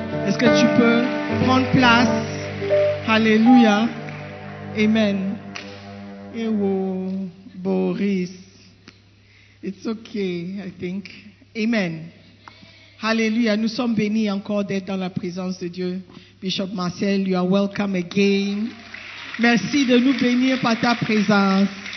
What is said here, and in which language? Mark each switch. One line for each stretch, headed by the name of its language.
French: Est-ce que tu peux prendre place? Alléluia. Amen. Et oh, Boris.
English: It's okay, I think. Amen. Alléluia.
French: Nous sommes bénis encore d'être dans la présence de Dieu.
English: Bishop Marcel, you are welcome again.
French: Merci de nous bénir par ta présence.